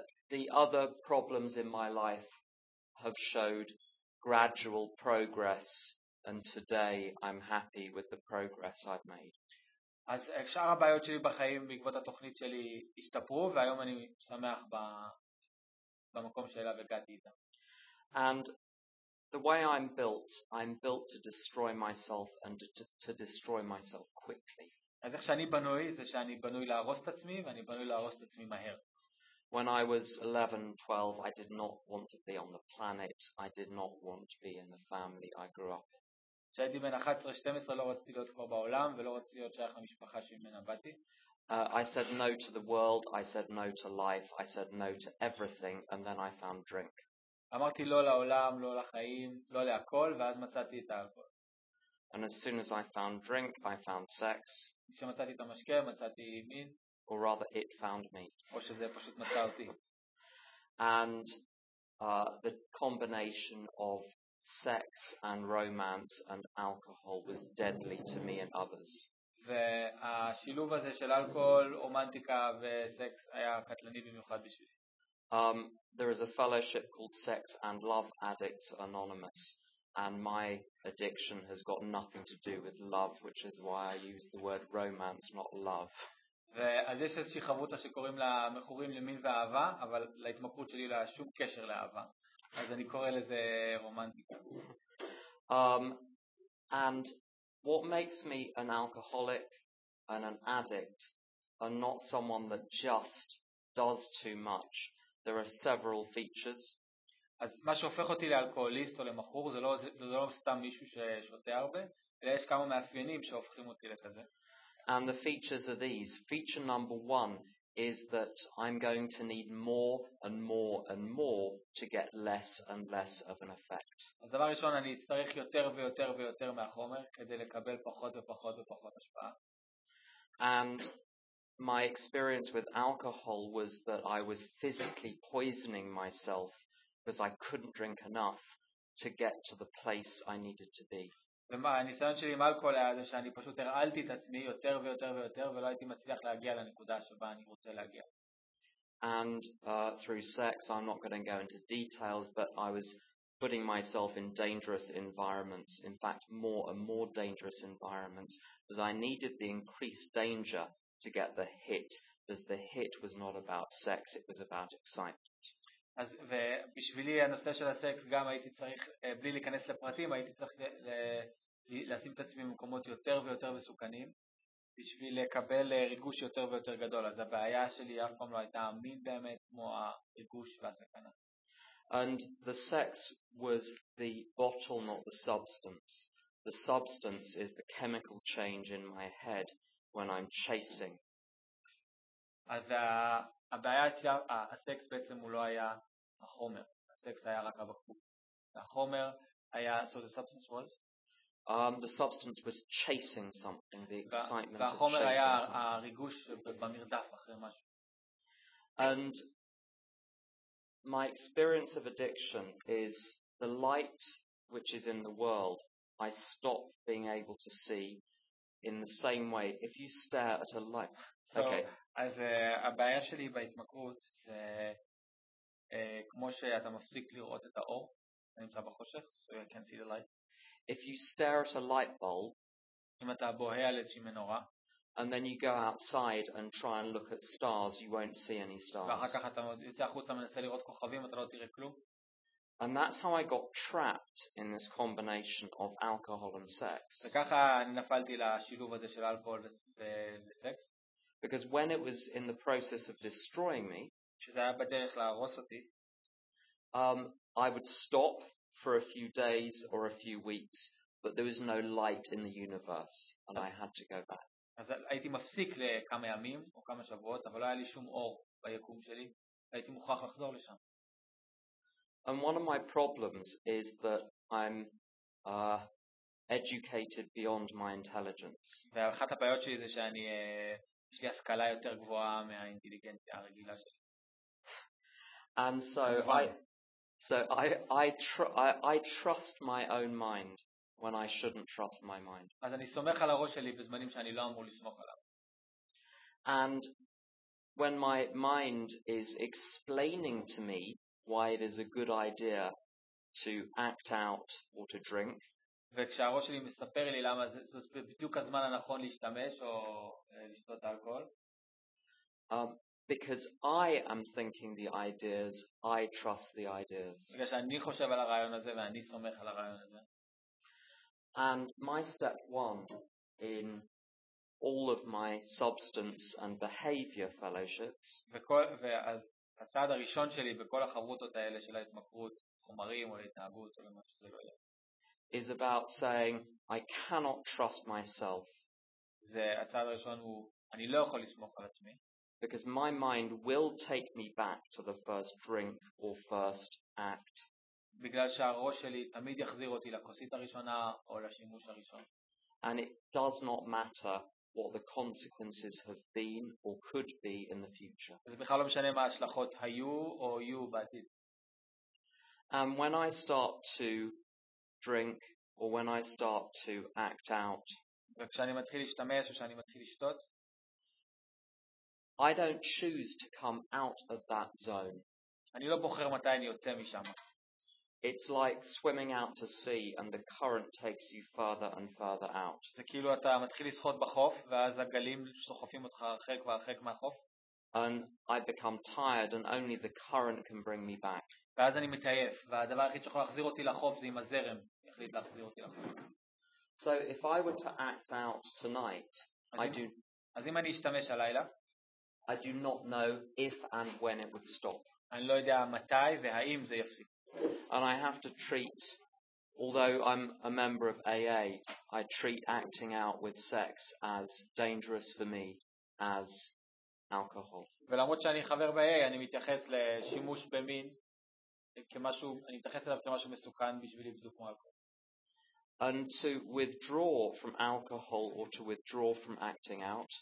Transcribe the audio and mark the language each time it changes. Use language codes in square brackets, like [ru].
[en] The other problems in my life have showed gradual progress, and today I'm happy with the progress I've made. [he] אז שאר הבעיות שלי בחיים בעקבות התוכנית שלי השתפרו, והיום אני שמח במקום שאלה וגעתי איתם. [en] And the way I'm built to destroy myself and to destroy myself quickly. [he] אז איך שאני בנוי, זה שאני בנוי להרוס את עצמי, ואני בנוי להרוס את עצמי מהר. [en] When I was 11, 12, I did not want to be on the planet. I did not want to be in the family I grew up. [he] שהייתי בן 11-12 לא רציתי להיות כבר בעולם ולא רציתי להיות שייך למשפחה שממנה באתי. [en] I said no to the world, I said no to life, I said no to everything, and then I found drink. [he] אמרתי לא לעולם, לא לחיים, לא להכל, ואז מצאתי את האלכוהול. [en] And as soon as I found drink, I found sex. [he] כשמצאתי את המשקה, מצאתי מין. [en] Or rather, it found me. [he] או שזה פשוט מצא אותי. [en] And the combination of sex and romance and alcohol was deadly to me and others. [he] והשילוב הזה של אלכוהול, רומנטיקה וסקס היה קטלני במיוחד בשבילי. [en] There is a fellowship called Sex and Love Addicts Anonymous, and my addiction has got nothing to do with love, which is why I use the word romance, not love. [he] אז יש איזושהי חבותה שקוראים לה מכורים למין ואהבה, אבל להתמכרות שלי לא שום קשר לאהבה. אז אני קורא לזה רומנטיקה. [en] And what makes me an alcoholic and an addict are not someone that just does too much. There are several features. [he] אז מה שהופך אותי לאלכוהוליסט או למכור, זה לא סתם מישהו ששותה הרבה, אלא יש כמה מאפיינים שהופכים אותי לכזה. [en] And the features are these. Feature number one is that I'm going to need more and more and more to get less and less of an effect. [he] אז דבר ראשון, אני אצטרך יותר ויותר ויותר מהחומר כדי לקבל פחות ופחות ופחות השפעה. [en] And my experience with alcohol was that I was physically poisoning myself because I couldn't drink enough to get to the place I needed to be. [he] הניסיון שלי עם אלכוהול היה זה שאני פשוט הרעלתי את עצמי יותר ויותר ויותר ולא הייתי מצליח להגיע לנקודה שבה אני רוצה להגיע. [en] And through sex, I'm not going to go into details, but I was putting myself in dangerous environments, in fact, more and more dangerous environments, because I needed the increased danger to get the hit, because the hit was not about sex, it was about excitement. [he] אז ובשבילי הנושא של הסקס גם הייתי צריך, בלי להיכנס לפרטים, הייתי צריך לשים את עצמי במקומות יותר ויותר מסוכנים, בשביל לקבל ריגוש יותר ויותר גדול. אז הבעיה שלי אף פעם לא הייתה מין באמת כמו הריגוש והסכנה. [en] And the sex was the bottle, not the substance. The substance is the chemical change in my head when I'm chasing. [he] אז הבעיה שלה, הסקס בעצם הוא לא היה החומר. הסקס היה רק הבקבוק. החומר היה, [en] so the substance was? The substance was chasing something, the excitement. [he] והחומר היה הריגוש במרדף אחרי משהו. [en] And my experience of addiction is the light which is in the world, I stop being able to see in the same way. If you stare at a light, okay. [he] אז הבעיה שלי בהתמכרות זה כמו שאתה מפסיק לראות את האור, אני נמצא בחושך, [en] so you can't see the light. If you stare at a light bulb, [he] אם אתה בוהה על איזושהי מנורה, [en] and then you go outside and try and look at stars, you won't see any stars. [he] ואחר כך אתה יוצא החוצה ומנסה לראות כוכבים, אתה לא תראה כלום. [en] And that's how I got trapped in this combination of alcohol and sex. [he] וככה נפלתי לשילוב הזה של אלכוהול וסקס. [en] Because when it was in the process of destroying me, [he] שזה היה בדרך להרוס אותי, [en] I would stop for a few days or a few weeks, but there was no light in the universe, and I had to go back. [he] אז הייתי מפסיק לכמה ימים או כמה שבועות, אבל לא היה לי שום אור ביקום שלי, הייתי מוכרח לחזור לשם. [en] And one of my problems is that I'm educated beyond my intelligence. [he] ואחת הבעיות שלי זה שאני יש לי השכלה יותר גבוהה מהאינטליגנציה הרגילה שלי. [en] And so I trust my own mind when I shouldn't trust my mind. [he] אז אני סומך על הראש שלי בזמנים שאני לא אמור לסמוך עליו. [en] And when my mind is explaining to me why it is a good idea to act out or to drink. [he] וכשהראש שלי מספר לי למה זה בדיוק הזמן הנכון להשתמש או לשתות אלכוהול. [en] Because I am thinking the ideas, I trust the ideas. [he] בגלל שאני חושב על הרעיון הזה ואני סומך על הרעיון הזה. [en] And my step one in all of my substance and behavior fellowships. [he] הצעד הראשון שלי בכל החברותות האלה של ההתמכרות, חומרים או להתנהגות או למה שזה לא יהיה. [en] Is about saying, I cannot trust myself. [he] זה הצעד הראשון הוא, אני לא יכול לסמוך על עצמי. [en] Because my mind will take me back to the first drink or first act. [he] בגלל שהראש שלי תמיד יחזיר אותי לכוסית הראשונה או לשימוש הראשון. [en] And it does not matter what the consequences have been or could be in the future. [he] זה בכלל לא משנה מה ההשלכות היו או יהיו בעתיד. [en] And when I start to drink or when I start to act out, [he] וכשאני מתחיל להשתמש או שאני מתחיל לשתות, [en] I don't choose to come out of that zone. [he] אני לא בוחר מתי אני יוצא משם. [en] It's like swimming out to sea and the current takes you farther and farther out. [he] זה כאילו אתה מתחיל לשחות בחוף ואז הגלים סוחפים אותך הרחק והרחק מהחוף. [en] And I become tired and only the current can bring me back. [he] ואז אני מתעייף והדבר היחיד שיכול להחזיר אותי לחוף זה עם הזרם יחליט להחזיר אותי לחוף. [en] So if I were to act out tonight, [he] אז אם אני אשתמש הלילה, [en] I do not know if and when it would stop. [he] אני לא יודע מתי והאם זה יפסיק. [en] And I have to treat, although I'm a member of AA, I treat acting out with sex as dangerous for me as alcohol. [he] ולמרות שאני חבר ב-AA, אני מתייחס לשימוש במין כמשהו, אני מתייחס אליו כמשהו מסוכן בשבילי בדיוק כמו אלכוהול. [en] And to withdraw from alcohol or to withdraw from acting out,